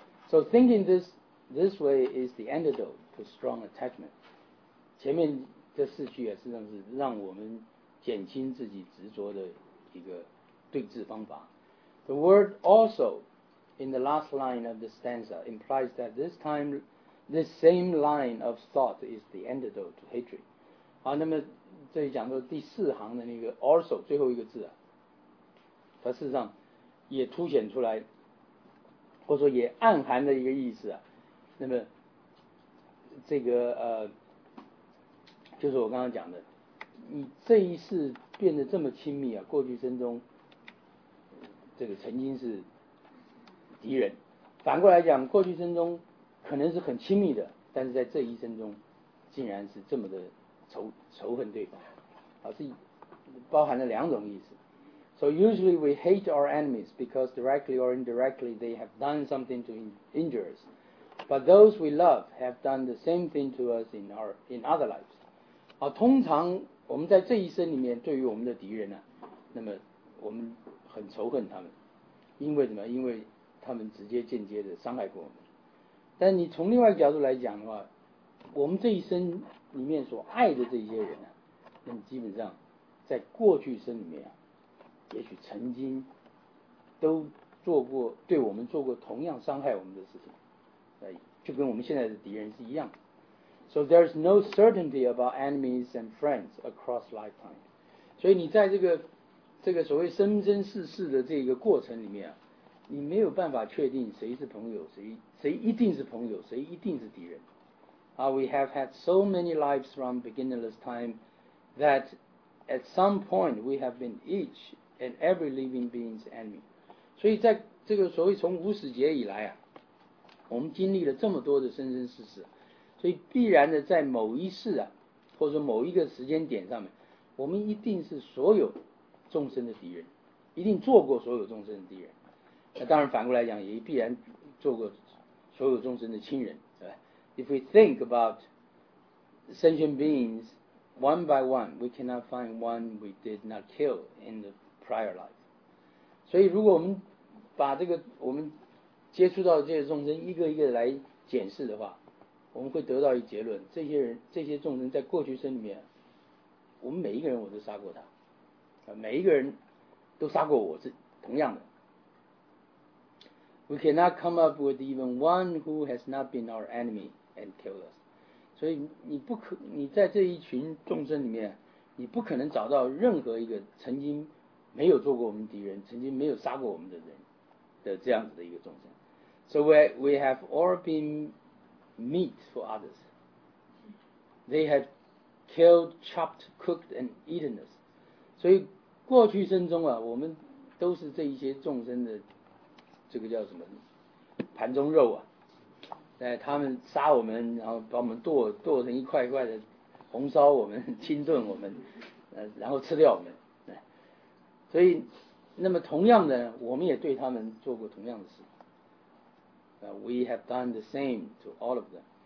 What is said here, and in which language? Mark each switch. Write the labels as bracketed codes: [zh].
[en] So thinking this way is the antidote to strong attachment. [zh] 前面这四句啊，实际上是让我们减轻自己执着的一个对治方法。 [en] The word also in the last line of the stanza implies that this time this same line of thought is the antidote to hatred. [zh] 好，那么这里讲到第四行的那个 also 最后一个字啊，它事实上也凸显出来，或者说也暗含的一个意思啊，那么这个就是我刚刚讲的，你这一世变得这么亲密啊，过去生中这个曾经是敌人，反过来讲，过去生中可能是很亲密的，但是在这一生中竟然是这么的仇恨对方，是包含了两种意思。 [en] So usually we hate our enemies because directly or indirectly they have done something to injure us. But those we love have done the same thing to us in other lives. [zh] 通常我们在这一生里面对于我们的敌人呢、啊，那么我们很仇恨他们，因为什么？因为他们直接间接的伤害过我们。但你从另外一个角度来讲的话，我们这一生里面所爱的这些人呢、啊，那么基本上在过去生里面啊，也许曾经都做过对我们做过同样伤害我们的事情，就跟我们现在的敌人是一样。 [en] So there's no certainty about enemies and friends across lifetime. [zh] 所以你在这个所谓生生世世的这个过程里面啊，你没有办法确定谁是朋友，谁一定是朋友，谁一定是敌人。 We have had so many lives from beginningless time that at some point we have been each and every living being's enemy. 所以在这个所谓从无始劫以来啊，我们经历了这么多的生生世世，所以必然的在某一世啊，或者某一个时间点上面，我们一定是所有众生的敌人，一定做过所有众生的敌人。那当然反过来讲，也必然做过所有众生的亲人，对吧？ [en] If we think about sentient beings one by one, we cannot find one we did not kill in the prior life. [zh] 所以如果我们把这个我们接触到的这些众生一个一个来检视的话，我们会得到一结论，这些人这些众生在过去生里面，我们每一个人我都杀过他，每一个人都杀过我，是同样的。 [en] We cannot come up with even one who has not been our enemy and killed us. [zh] 所以你在这一群众生里面，你不可能找到任何一个曾经没有做过我们敌人，曾经没有杀过我们的人的这样子的一个众生。 [en] So we have all beenmeat for others. They have killed, chopped, cooked, and eaten us. [zh] 所以过去生中啊，我们都是这一些众生的这个叫什么盘中肉啊，在他们杀我们，然后把我们剁成一块一块的，红烧我们，清炖我们，然后吃掉我们。所以那么同样的，我们也对他们做过同样的事。 [en] We have done the same to all of them.